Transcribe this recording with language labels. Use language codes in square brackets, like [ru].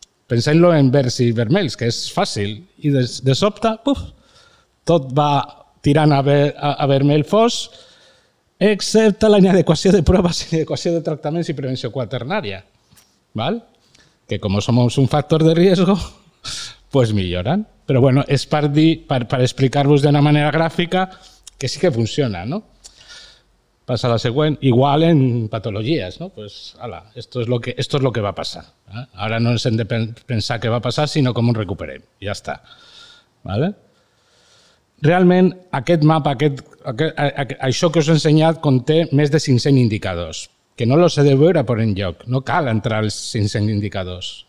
[ca] Pensem-lo en verds i vermells, que és fàcil. I de sobte, puf, tot va tirant a vermell fos, excepte la inadequació de proves, inadequació de tractaments i prevenció quaternària. Val? Que com som un factor [es] de riesgo, [ca] pues milloren. Però bueno, és per dir, per explicar-vos d'una manera gràfica que sí que funciona, no? Passa la següent, igual en patologies, no? [es] Pues ala, esto es lo que va a passar, ¿eh? [ca] Ara no ens hem de pensar què va passar, sinó com ho recuperem. Ja està. ¿Vale? Realment aquest mapa, això que us he ensenyat conté més de 500 indicadors, que no los he de veure per enlloc, no cal entrar als 500 indicadors.